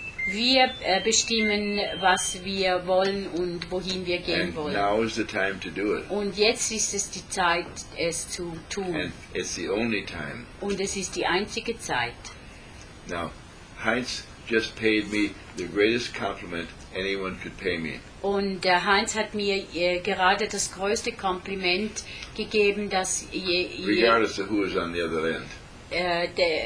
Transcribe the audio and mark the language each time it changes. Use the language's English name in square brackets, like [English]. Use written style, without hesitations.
[German] Wir bestimmen, was wir wollen und wohin wir gehen [English] and [German] wollen. [English] Now is the time to do it. [German] Und jetzt ist es die Zeit, es zu tun. [English] And it's the only time. [German] Und es ist die einzige Zeit. [English] Now, Heinz just paid me the greatest compliment anyone could pay me. [German] Und Heinz hat mir gerade das größte Kompliment gegeben, das [English] regardless of who is on the other end.